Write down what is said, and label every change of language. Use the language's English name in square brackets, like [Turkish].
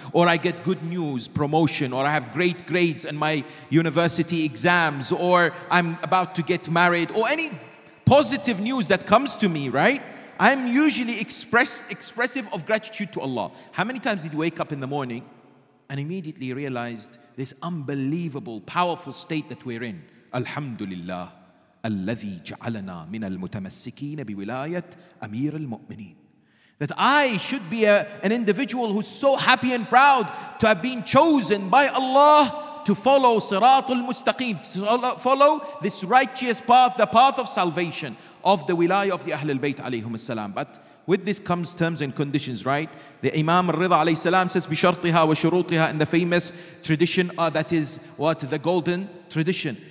[English] Or I get good news, promotion, or I have great grades in my university exams, or I'm about to get married, or any positive news that comes to me, right? I'm usually expressive of gratitude to Allah. How many times did you wake up in the morning and immediately realized this unbelievable, powerful state that we're in? Alhamdulillah. [Arabic] الذي جعلنا من المتمسكين بولاية أمير المؤمنين. [English] That I should be an individual who's so happy and proud to have been chosen by Allah to follow صراط المستقيم, to follow this righteous path, the path of salvation of the wilayah of the Ahl al-Bayt alayhum as-salam. But with this comes terms and conditions, right? The Imam Reza alayhi salam says [Arabic] بشرطها وشروطها, [English] in the famous tradition that is what the golden tradition.